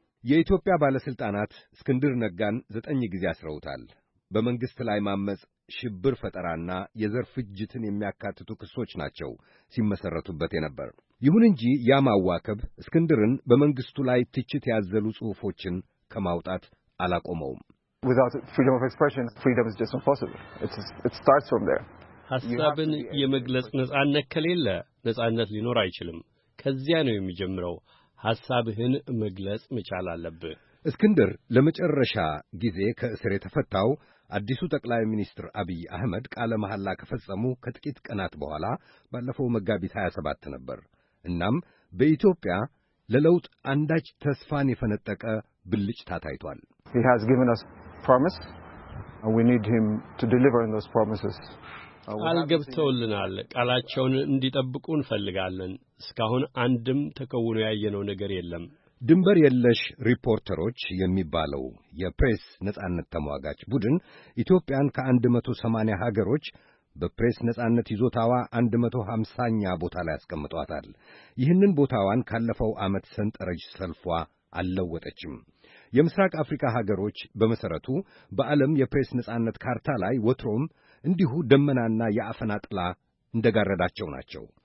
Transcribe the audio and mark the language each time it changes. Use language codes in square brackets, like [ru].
[am] የኢትዮጵያ ባለስልጣናት እስክንድር ነጋን 9 ጊዜ አስረውታል። በመንግስት ላይ ማመጽ፣ ሽብር ፈጠራና የዘር ፍጅትን የሚያካትቱ ክሶች ናቸው ሲመሰረቱበት የነበር። ይሁን እንጂ ያ ማዋከብ እስክንድርን በመንግስቱ ላይ ትችት ያዘሉ ጽሑፎችን ከማውጣት አላቆመውም። [en] Without freedom of expression, freedom is just impossible. It starts from there. [am] ሐሳብን የመግለጽ ነጻነት ከሌለ ነጻነት ሊኖር አይችልም። ከዚያ ነው የሚጀምረው። ሐሳብህን መግለጽ መቻል አለብህ። እስክንድር ለመጨረሻ ጊዜ ከእስር የተፈታው አዲሱ ጠቅላይ ሚኒስትር አብይ አህመድ ቃለ መሐላ ከፈጸሙ ከጥቂት ቀናት በኋላ ባለፈው መጋቢት 27 ነበር። እናም በኢትዮጵያ ለለውጥ አንዳች ተስፋን የፈነጠቀ ብልጭታ ታይቷል። [en] He has given us promise and we need him to deliver on those promises. [am] ቃል ገብተውልናል። ቃላቸውን እንዲጠብቁ እንፈልጋለን። እስካሁን አንድም ተከውኖ ያየነው ነገር የለም። ድንበር የለሽ ሪፖርተሮች የሚባለው የፕሬስ ነጻነት ተሟጋች ቡድን ኢትዮጵያን ከ180 ሀገሮች በፕሬስ ነጻነት ይዞታዋ 150ኛ ቦታ ላይ አስቀምጧታል። ይህንን ቦታዋን ካለፈው ዓመት ሰንጠረዥ ሰልፏ አልለወጠችም። የምስራቅ አፍሪካ ሀገሮች በመሰረቱ በዓለም የፕሬስ ነጻነት ካርታ ላይ ወትሮም እንዲሁ ደመናና የአፈና ጥላ እንደጋረዳቸው ናቸው።